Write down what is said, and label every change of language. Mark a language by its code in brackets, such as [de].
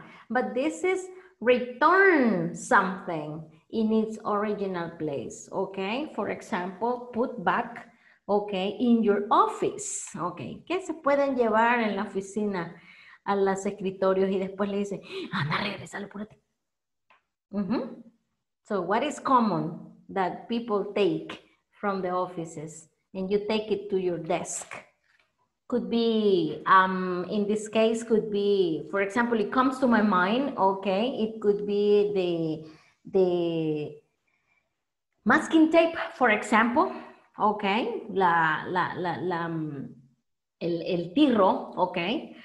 [en] But this is return something in its original place, okay? For example, put back, okay, in your office, okay? [es] ¿Qué se pueden llevar en la oficina a los escritorios y después le dicen, anda, regresalo, púrate? [en] So what is common that people take from the offices and you take it to your desk? Could be, in this case, could be, for example, it comes to my mind, okay, it could be the masking tape, for example, okay, el tirro, okay.